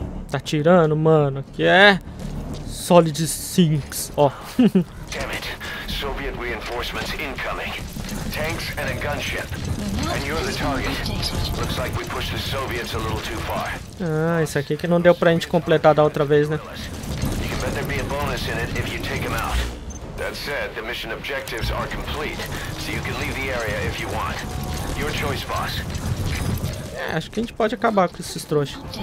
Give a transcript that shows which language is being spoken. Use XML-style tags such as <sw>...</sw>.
<pt>Tá tirando, mano. Que é Solid Sinks, ó.</pt> <en>Damn it. Soviet reinforcements incoming. Tanks and a gunship. And you're the target. Looks like we pushed the Soviets a little too far.</en> <pt>Ah, isso aqui que não deu pra gente completar da outra vez, né?</pt> <en>You can bet there'd be a bonus in it if you take him out. That said, the mission objectives are complete, so you can leave the area if you want. Your choice, boss.</en> <pt>É, acho que a gente pode acabar com esses trouxas.</pt>